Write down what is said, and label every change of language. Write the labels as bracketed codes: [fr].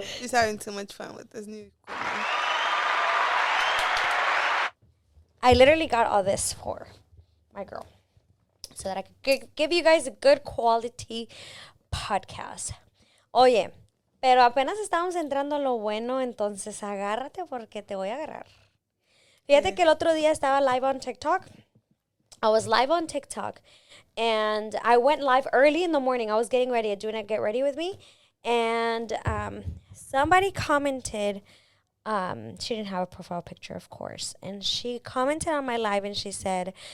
[en] He's having too much fun with this new equipment. I literally got all this for my girl. So that I could give you guys a good quality podcast. [es] Oye, pero apenas estábamos entrando a lo bueno, entonces agárrate porque te voy a agarrar. Fíjate que el otro día estaba live on TikTok. [en] I was live on TikTok. And I went live early in the morning. I was getting ready. I was doing a get ready with me. And somebody commented. She didn't have a profile picture, of course. And she commented on my live and she said...